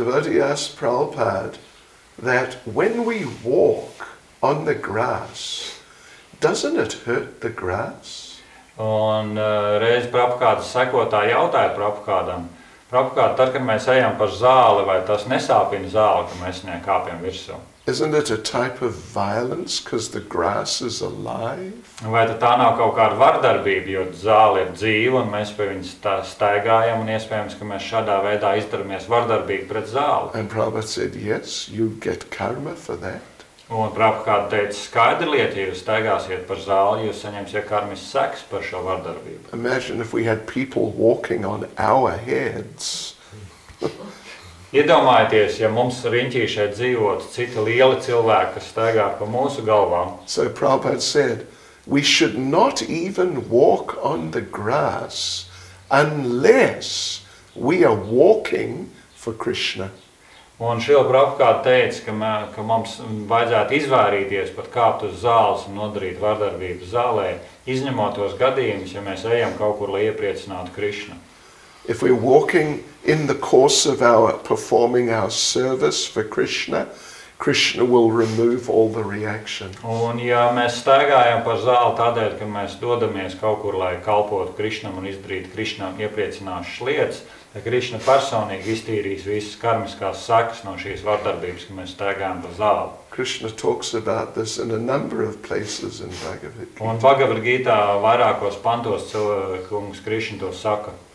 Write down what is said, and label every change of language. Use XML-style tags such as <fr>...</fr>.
<en>Devotee asked Prabhupada that when we walk on the grass, doesn't it hurt the grass?</en> <lv>Un reiz Prabhupāda sekotāji jautāja Prabhupādam, Prabhupāda, tad, kad mēs ejam par zāli, vai tas nesāpina zāli, ka mēs viņai kāpjam virsū?</lv> <en>Isn't it a type of violence, because the grass is alive?</en> <lv>Vai tad tā nav kaut kāda vardarbība, jo zāle ir dzīva, un mēs pie viņas tā staigājam, un iespējams, ka mēs šādā veidā izdaramies vardarbīgi pret zāli?</lv> <en>And Prabhupāda said, yes, you get karma for that.</en> <lv>Un Prabhupāda teica, skaidri lieta, ja jūs staigāsiet par zāli, jūs saņemsiet karmisku seks par šo vardarbību.</lv> <en>Imagine if we had people walking on our heads.</en> <lv>Iedomājieties, ja mums riņķī šeit dzīvotu citi lieli cilvēki, kas staigā pa mūsu galvām.</lv> <en>So Prabhupāda said, we should not even walk on the grass unless we are walking for Krishna.</en> <lv>Un Šrila Prabhupāda teica, ka mums vajadzētu izvairīties pat kāpt uz zāles un nodarīt vardarbību zālē, izņemot tos gadījumus, ja mēs ejam kaut kur, lai iepriecinātu Krišnu.</lv> <en>If we're walking in the course of our performing our service for Krishna, Krishna will remove all the reactions.</en> <lv>Un ja mēs staigājam par zāli tādēļ, ka mēs dodamies kaut kur, lai kalpotu Krišnam un izdarītu Krišnam iepriecināšas lietas, ja Krišna personīgi iztīrīs visas karmiskās sakas no šīs vardarbības, ka mēs staigājam pa zāli.</lv> <en>Krishna talks about this in a number of places in Bhagavad Gita.</en> <lv>Un Bhagavad Gītā vairākos pantos cilvēkums Krišna to saka.</lv>